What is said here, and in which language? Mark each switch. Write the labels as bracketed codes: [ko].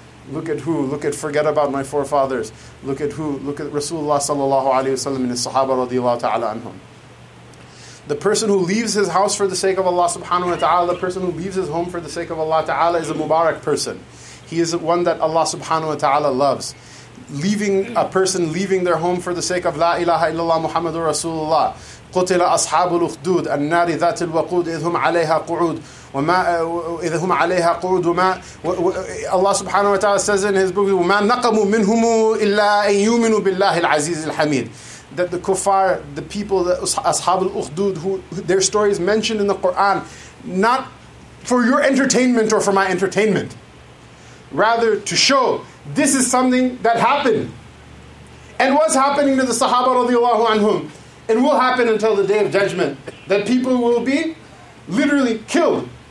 [en] Forget about my forefathers. Look at Rasulullah sallallahu alayhi wa sallam and his sahaba radiallahu ta'ala anhum. The person who leaves his house for the sake of Allah subhanahu wa ta'ala, the person who leaves his home for the sake of Allah ta'ala is a mubarak person. He is one that Allah subhanahu wa ta'ala loves. Leaving their home for the sake of La ilaha illallah Muhammadur Rasulullah. [ar] قُتِلَ أَصْحَابُ الْأُخْدُودِ النَّارِ ذَاتِ الْوَقُودِ إِذْ هُمْ عَلَيْهَا قُعُودٌ وَمَا إِذْ هُمْ عَلَيْهَا قُعُودٌ وَمَا [en] Allah subhanahu wa ta'ala says in His book, [ar] وَمَا نَقَمُوا مِنْهُمُ إِلَّا أَن يُؤْمِنُوا بِاللَّهِ الْعَزِيزِ الْحَمِيدِ. [en] That the kuffar, the people, the أَصْحَابُ الْأُخْدُودِ, who their story is mentioned in the Quran, not for your entertainment or for my entertainment. Rather, to show this is something that happened and was happening to the Sahaba radiallahu anhum and will happen until the Day of Judgment, that people will be literally killed.